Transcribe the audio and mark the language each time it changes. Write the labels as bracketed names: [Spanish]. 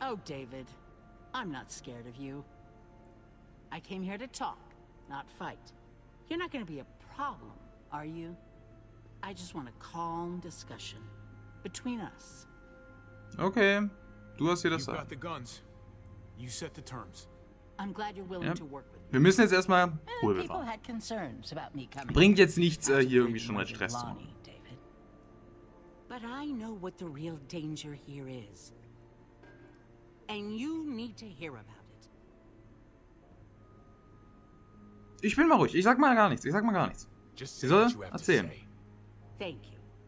[English] Oh, David, I'm not scared of you. I came here to talk, not fight. You're not going to be a problem, are you? I just want a calm discussion between us. [German] Okay, du hast hier das. [English] You got the guns. You set the terms. I'm glad you're willing to work. [German] Wir müssen jetzt erstmal Ruhe bewahren. Bringt jetzt nichts, hier irgendwie schon mal Stress zu machen. [English] But I know what the real danger here is. And you need to hear about it. [German] Ich bin mal ruhig. Ich sag mal gar nichts. Sie soll erzählen. [English] Thank you.